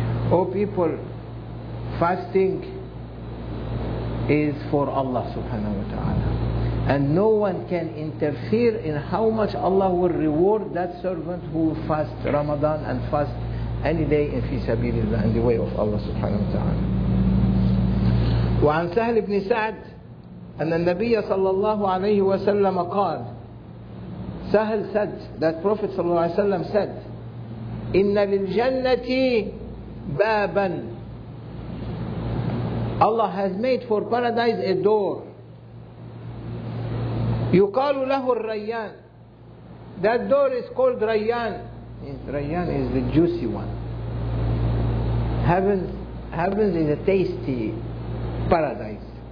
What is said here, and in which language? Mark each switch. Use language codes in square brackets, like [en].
[en] Oh people, fasting is for Allah subhanahu wa ta'ala. And no one can interfere in how much Allah will reward that servant who fasts Ramadan and fasts any day in fi sabilillah, in the way of Allah subhanahu wa ta'ala. [ar] وعن سهل بن سعد أن النبي صلى الله عليه وسلم قال سهل [en] said that Prophet [ar] صلى الله عليه وسلم said إن للجنة بابا. [en] Allah has made for paradise a door. [ar] يقال له الريان. [en] That door is called ريان. ريان is the juicy one. Heavens is a tasty paradise.